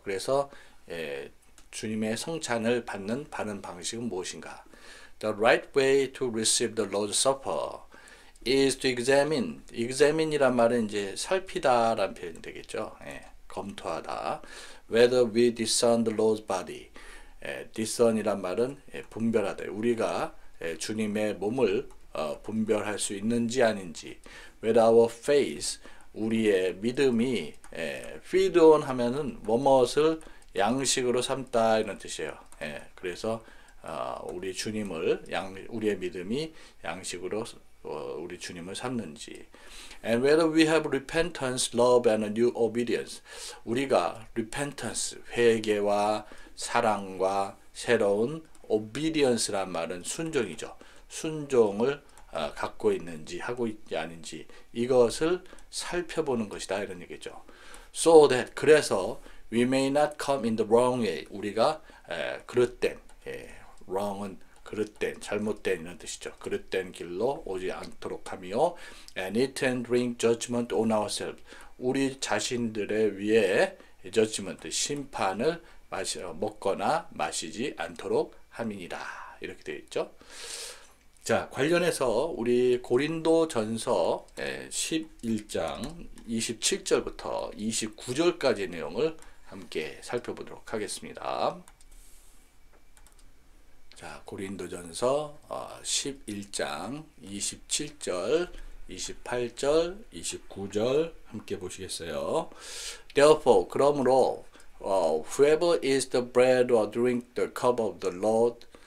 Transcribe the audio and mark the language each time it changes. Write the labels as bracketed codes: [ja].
[ko] 그래서 주님의 성찬을 받는 바른 방식은 무엇인가? [en] The right way to receive the Lord's Supper is to examine. [ko] Examine이란 말은 이제 살피다라는 표현이 되겠죠. 예, 검토하다. [en] Whether we discern the Lord's body. [ko] Discern이란 말은 분별하다. 우리가 주님의 몸을 분별할 수 있는지 아닌지. [en] Whether our faith, [ko] 우리의 믿음이 [en] feed on [ko] 하면은 무엇을 양식으로 삼다 이런 뜻이에요. 예, 그래서 우리 주님을 우리의 믿음이 양식으로 우리 주님을 삼는지. [en] And whether we have repentance, love and a new obedience. [ko] 우리가 repentance, 회개와 사랑과 새로운 obedience란 말은 순종이죠. 순종을 갖고 있는지 하고 있지 아닌지 이것을 살펴보는 것이다 이런 얘기죠. [en] So that 그래서 we may not come in the wrong way. [ko] 우리가 그릇된 wrong은 그릇된 잘못된 이런 뜻이죠. 그릇된 길로 오지 않도록 하며 [en] and eat and drink judgment on ourselves. [ko] 우리 자신들의 위에 judgment 심판을 먹거나 마시지 않도록 함이니라 이렇게 되어 있죠. 자, 관련해서 우리 고린도 전서 11장 27절부터 29절까지 내용을 함께 살펴보도록 하겠습니다. 자, 고린도 전서 11장 27절, 28절, 29절 함께 보시겠어요? [en] Therefore, [ko] 그러므로, [en] whoever is the bread or drink the cup of the Lord.